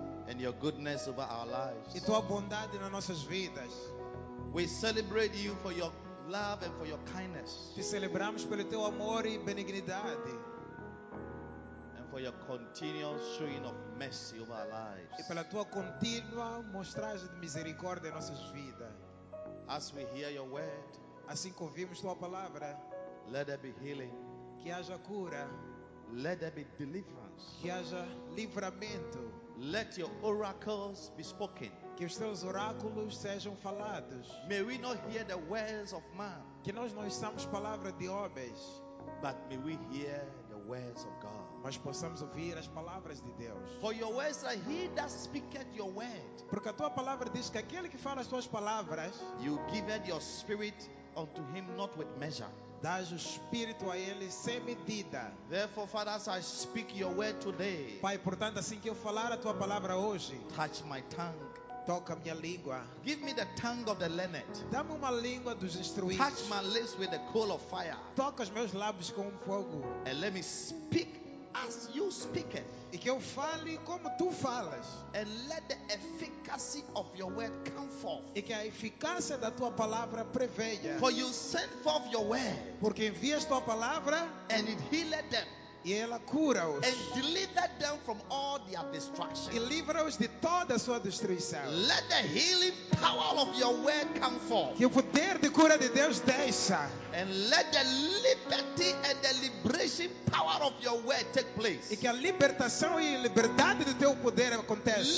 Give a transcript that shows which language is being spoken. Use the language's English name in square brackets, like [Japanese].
[English] And your goodness over our lives. [Portuguese] E tua bondade nas nossas vidas. [English] We celebrate you for your love and for your kindness. [Portuguese] Te celebramos pelo teu amor e benignidade. [English] And for your continual showing of mercy over our lives. [Portuguese] E pela tua contínua mostragem de misericórdia em nossas vidas. [English] As we hear your word, [Portuguese] assim que ouvimos tua palavra, [English] let there be healing. [Portuguese] Que haja cura. [English] Let there be deliverance. [Portuguese] Que haja livramento. [English] Let your oracles be spoken. [Portuguese] Que os teus oráculos sejam falados. [English] May we not hear the words of man. [Portuguese] Que nós não ouçamos palavras de homens. [English] But may we hear the words of God. [Portuguese] Mas possamos ouvir as palavras de Deus. [English] For your words are he that speaketh your word. [Portuguese] Porque a tua palavra diz que aquele que fala as tuas palavras. [English] You give your spirit unto him not with measure. [Portuguese] Dás o Espírito a ele sem medida. [English] Therefore, Father, as I speak your word today. [Portuguese] Pai, portanto, assim que eu falar a tua palavra hoje. [English] Touch my tongue. [Portuguese] Toca minha língua. [English] Give me the tongue of the learned. [Portuguese] Dá-me uma língua dos instruídos. [English] Touch my lips with the coal of fire. [Portuguese] Toca os meus lábios com fogo. [English] And let me speak as you speak it. [Portuguese] E que eu fale como tu falas. [English] And let the efficacy of your word come forth. [Portuguese] E que a eficácia da tua palavra prevenha. [English] For you send forth your word. [Portuguese] Porque envias tua palavra. [English] And it healed them. [Portuguese] E ela cura-os. [English] And deliver them from all their destruction. [Portuguese] E livra-os de toda a sua destruição. [English] Let the healing power of your word come forth. [Portuguese] Que o poder de cura de Deus desça. [English] And let the liberty and the liberation power of your word take place. [Portuguese] E que a libertação e a liberdade do teu poder aconteça.